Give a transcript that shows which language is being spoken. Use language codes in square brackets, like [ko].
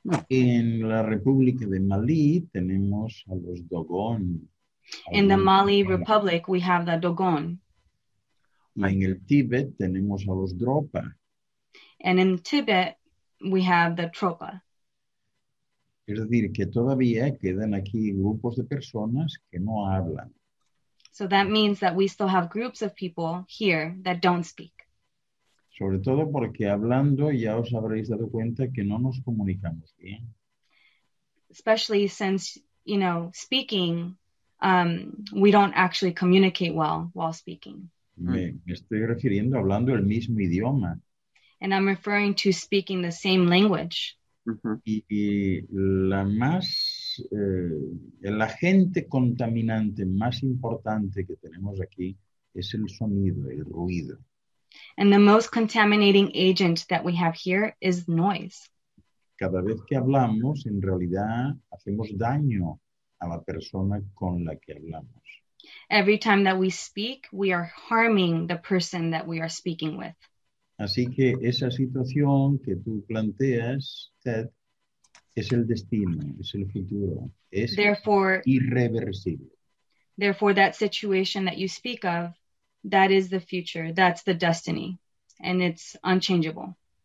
[es] En la República de Malí tenemos a los Dogon. [en] In the Mali Republic we have the Dogon. [es] En el Tíbet tenemos a los Dropa. [en] And in Tibet we have the Tropa. [es] Es decir, que todavía quedan aquí grupos de personas que no hablan. [en] So that means that we still have groups of people here that don't speak. [es] Sobre todo porque hablando ya os habréis dado cuenta que no nos comunicamos bien. [en] Especially since, you know, speaking, we don't actually communicate well while speaking. [es] Me estoy refiriendo hablando el mismo idioma. [en] And I'm referring to speaking the same language. Uh-huh. [es] Y la más, el agente contaminante más importante que tenemos aquí es el sonido, el ruido. [en] And the most contaminating agent that we have here is noise. [es] Cada vez que hablamos, en realidad, hacemos daño a la persona con la que hablamos. [en] Every time that we speak, we are harming the person that we are speaking with. [es] Así que esa situación que tú planteas, Ted, es el destino, es el futuro, es [en] therefore, [es] irreversible. [en] Therefore, that situation that you speak of, that is the future, that's the destiny, and it's unchangeable.